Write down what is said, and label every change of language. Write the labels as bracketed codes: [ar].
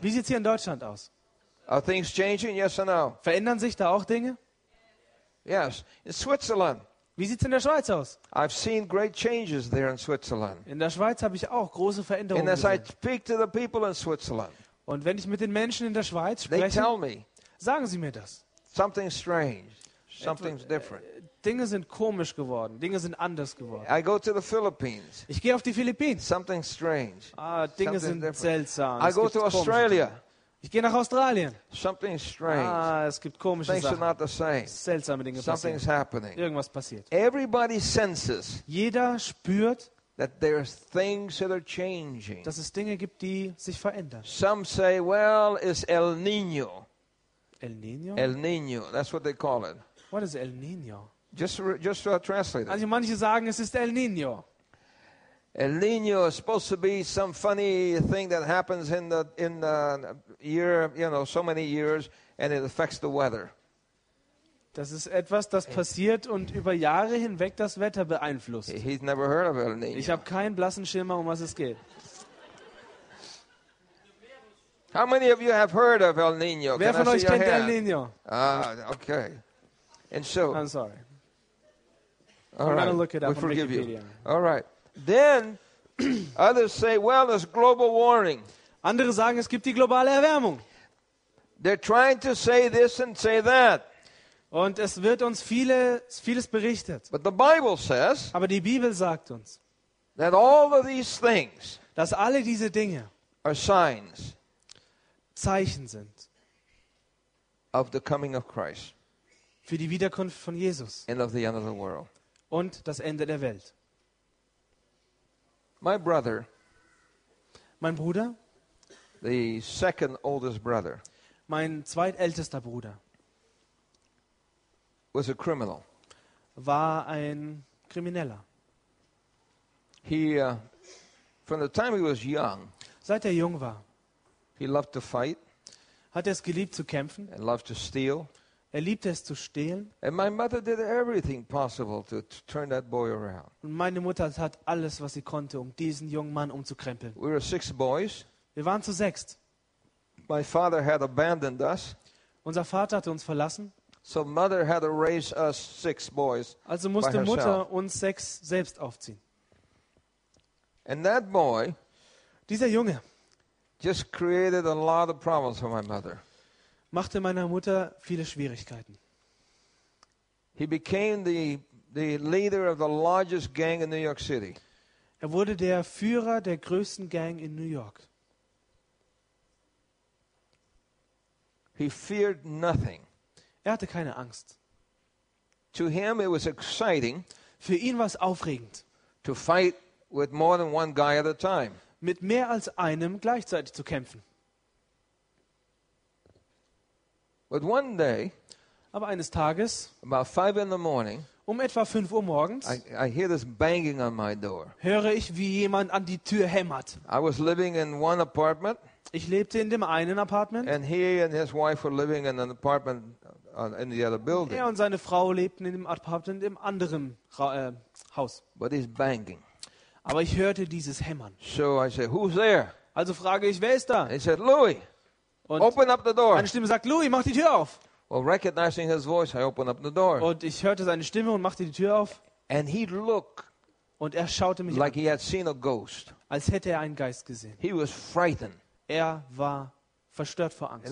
[de] Wie sieht's hier in Deutschland aus? [en] Are things changing? Yes or no? [de] Verändern sich da auch Dinge? [en] Yes. In Switzerland. [de] Wie sieht's in der Schweiz aus? [en] I've seen great changes there in Switzerland. [de] In der Schweiz habe ich auch große Veränderungen [en] and as [de] gesehen. [en] I speak to the people in Switzerland, [de] und wenn ich mit den Menschen in der Schweiz spreche, [en] they tell me, [de] sagen sie mir das. [en] Something strange. Something's different. [de] Dinge sind komisch geworden. Dinge sind anders geworden. [en] I go to the Philippines. [de] Ich gehe auf die Philippinen. [en] Something strange. [de] Ah, Dinge sind seltsam. [en] I go to Australia. [de] Ich gehe nach Australien. [en] Something strange. [de] Ah, es gibt komische [en] things [de] Sachen. [en] Are not the same. [de] Seltsame Dinge [en] something's [de] passieren. [en] Happening. [de] Irgendwas passiert. [en] Everybody senses. [de] Jeder spürt, [en] that there are things that are changing. [de] Dass es Dinge gibt, die sich verändern. [en] Some say, well, it's El Niño. El Niño? El Niño, that's what they call it. What is El Niño? Just to translate it. [de] Also manche sagen, es ist El Niño. [en] El Niño is supposed to be some funny thing that happens in the year, you know, so many years, and it affects the weather. [de] Das ist etwas, das passiert und über Jahre hinweg das Wetter beeinflusst. [en] He's never heard of El Niño. [de] Ich habe keinen blassen Schimmer, um was es geht. [en] How many of you have heard of El Niño? [de] Wer von euch kennt El Niño? [en] Okay. And so I'm sorry. All right. I'm gonna look it up on Wikipedia. You. All right. Then others say, well, it's global warming. [de] Andere sagen, es gibt die globale Erwärmung. [en] They're trying to say this and say that. [de] Und es wird uns vieles berichtet. [en] But the Bible says, [de] aber die Bibel sagt uns, [en] that all of these things, [de] dass alle diese Dinge, [en] are signs, [de] Zeichen sind, [en] of the coming of Christ, [de] für die Wiederkunft von Jesus, [en] and of the end of the world, [de] und das Ende der Welt. [en] My brother, [de] mein Bruder, [en] the second oldest brother, [de] mein zweitältester Bruder, [en] was a criminal. [de] War ein Krimineller. [en] From the time he was young, [de] seit er jung war, [en] he loved to fight, [de] hat es geliebt zu kämpfen, [en] and loved to steal. [de] Er liebte es zu stehlen. [en] And my mother did everything possible to turn that boy around. [de] Und meine Mutter tat alles, was sie konnte, um diesen jungen Mann umzukrempeln. [en] We were six boys. [de] Wir waren zu sechst. [en] My father had abandoned us. [de] Unser Vater hatte uns verlassen. [en] So mother had to raise us six boys. [de] Also musste Mutter uns sechs selbst aufziehen. [en] And that boy, [de] dieser Junge, [en] just created a lot of problems for my mother. [de] Machte meiner Mutter viele Schwierigkeiten. [en] He became the leader of the largest gang in New York City. [de] Er wurde der Führer der größten Gang in New York. [en] He feared nothing. [de] Er hatte keine Angst. [en] To him it was exciting. [de] Für ihn war es aufregend. [en] To fight with more than one guy at a time. [de] Mit mehr als einem gleichzeitig zu kämpfen. [en] But one day, [de] aber eines Tages, [en] about 5 in the morning, [de] um etwa 5 Uhr morgens, [en] I hear this banging on my door. [de] Höre ich, wie jemand an die Tür hämmert. [en] I was living in one apartment. [de] Ich lebte in dem einen Apartment. [en] And he and his wife were living in an apartment in the other building. [de] Er und seine Frau lebten in dem Apartment im anderen Haus. [en] But he's banging. [de] Aber ich hörte dieses Hämmern. [en] So I said, "Who's there?" [de] Also frage ich, wer ist da? [en] He said, "Louis." [de] Und [en] open up the door. [de] Eine Stimme sagt, "Louis, mach die Tür auf." [en] Well, recognizing his voice, I opened up the door. [de] Und ich hörte seine Stimme und machte die Tür auf. [en] And he looked. [de] Und er schaute mich [en] like [de] an. [en] Like he had seen a ghost. [de] Als hätte er einen Geist gesehen. [en] He was frightened. [de] Er war verstört vor Angst.